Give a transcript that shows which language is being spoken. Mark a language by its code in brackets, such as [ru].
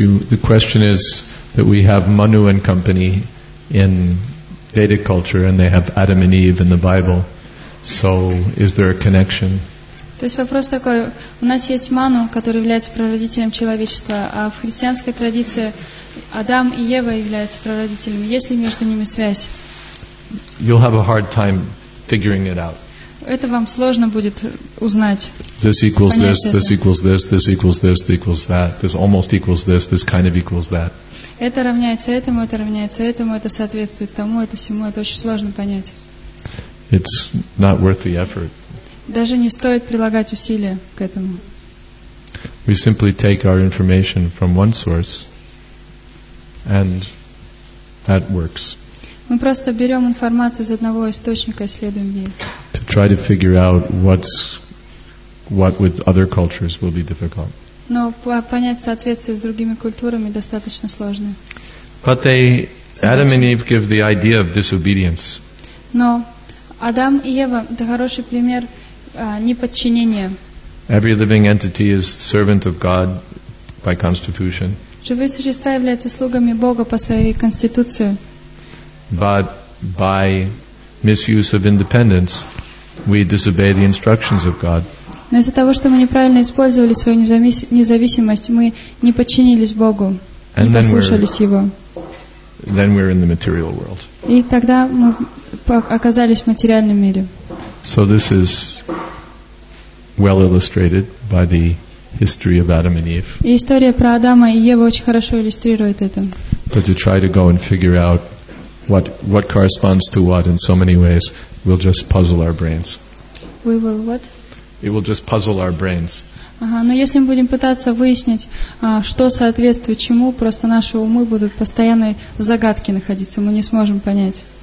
[en] The question is that we have Manu and company in Vedic culture, and they have Adam and Eve in the Bible. So, is there a connection? [ru] То есть вопрос такой: у нас есть Ману, который является прародителем человечества, а в христианской традиции Адам и Ева являются прародителями. Есть ли между ними связь? [en] You'll have a hard time figuring it out. [ru] Это вам сложно будет узнать. [en] This equals this, this equals this, this equals this, this equals that. This almost equals this, this kind of equals that. [ru] Это равняется этому, это равняется этому, это соответствует тому, это всему. Это очень сложно понять. [en] It's not worth the effort. [ru] Даже не стоит прилагать усилия к этому. [en] We simply take our information from one source, and that works. [ru] Мы просто берем информацию из одного источника и следуем ей. [en] To try to figure out what with other cultures will be difficult. [ru] Но понять соответствие с другими культурами достаточно сложно. [en] But they, Adam and Eve give the idea of disobedience. [ru] Но Адам и Ева — это хороший пример неподчинения. [en] Every living entity is servant of God by constitution. [ru] Живые существа являются слугами Бога по своей конституции. [en] But by misuse of independence, we disobey the instructions of God. [ru] Но из-за того, что мы неправильно использовали свою независимость, мы не подчинились Богу, [en] and [ru] не послушались Его. [en] Then we're in the material world. [ru] И тогда мы оказались в материальном мире. [en] So this is well illustrated by the history of Adam and Eve. [ru] И история про Адама и Еву очень хорошо иллюстрирует это. [en] But to try to go and figure out what corresponds to what in so many ways, we'll just puzzle our brains. We will what? It will just puzzle our brains. [ru] Но если мы будем пытаться выяснить, что соответствует чему, просто наши умы будут постоянной загадки находиться, мы не сможем понять.